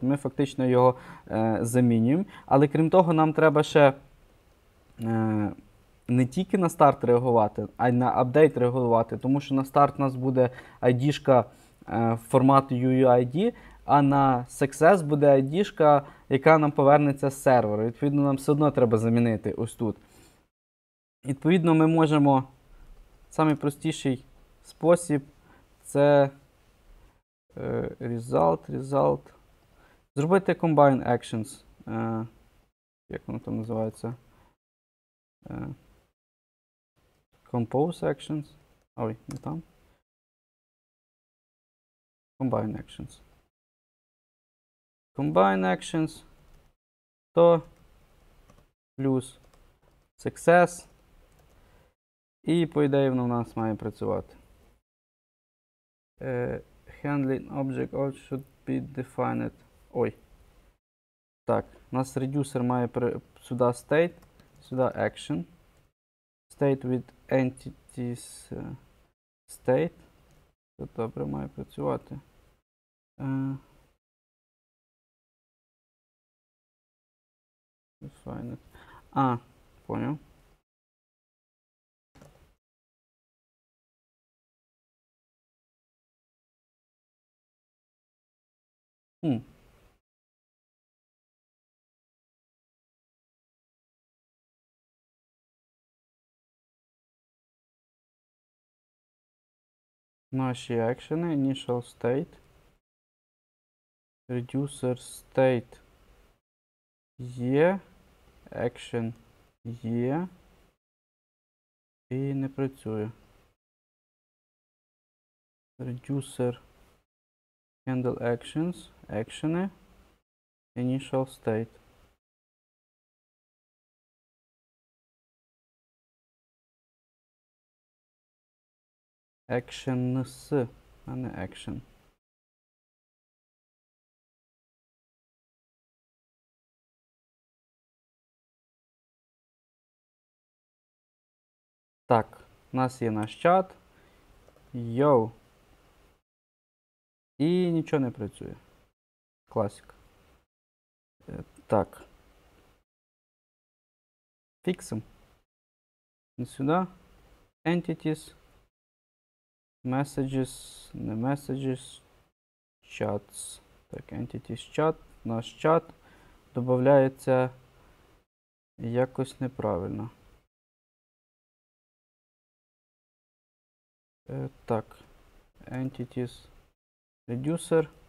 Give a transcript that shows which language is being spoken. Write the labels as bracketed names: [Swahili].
[Ukrainian] Ми фактично його замінюємо. Але крім того, нам треба ще не тільки на старт реагувати, а й на апдейт реагувати, тому що на старт у нас буде ID-шка формату UUID, а на success буде ID-шка, яка нам повернеться з сервера. Відповідно, нам все одно треба замінити ось тут. Відповідно, ми можемо, самий простіший спосіб, це result, Зробити combine actions. Як воно там називається? Compose actions. Ой, не там. Combine actions. Combine actions. То плюс success. І по ідеї воно в нас має працювати. [English] Handling object should be defined. Ой. [Ukrainian] Так, у нас reducer має сюди state, сюди action. State with entities state. Це добре має працювати. Defined. А, поняв. Наші акшени, initial state, reducer state є, action є, і не працює. Reducer handle actions, акшени, initial state. Actions, а не action. Так, у нас є наш чат. Йо. І нічого не працює. Класика. Так. Фіксим. І сюди. Entities. Messages, не messages, chats. Так, entities chat, наш чат додається якось неправильно. Так, entities reducer.